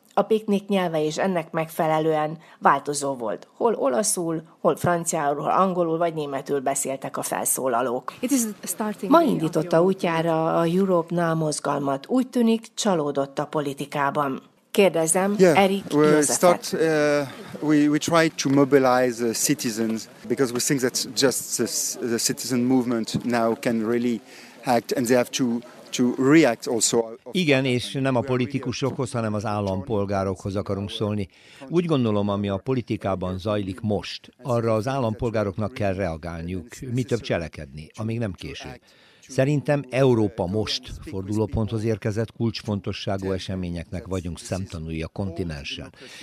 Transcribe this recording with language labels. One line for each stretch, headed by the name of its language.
Hungarian: A piknik nyelve is ennek megfelelően változó volt. Hol olaszul, hol franciául, hol angolul vagy németül beszéltek a felszólalók. Ma indította útjára a Europe Now mozgalmat. Úgy tűnik, csalódott a politikában. Kérdezem, Erik Józsefet.
English: We try to mobilize the citizens because we think that just the citizen movement now can really act and they have to react also.
Hungarian: Igen, és nem a politikusokhoz, hanem az állampolgárokhoz akarunk szólni. Úgy gondolom, ami a politikában zajlik most, arra az állampolgároknak kell reagálniuk, mi több cselekedni, amíg nem késő. Szerintem Európa most fordulóponthoz érkezett, kulcsfontosságú eseményeknek vagyunk szemtanúi a kontinensen.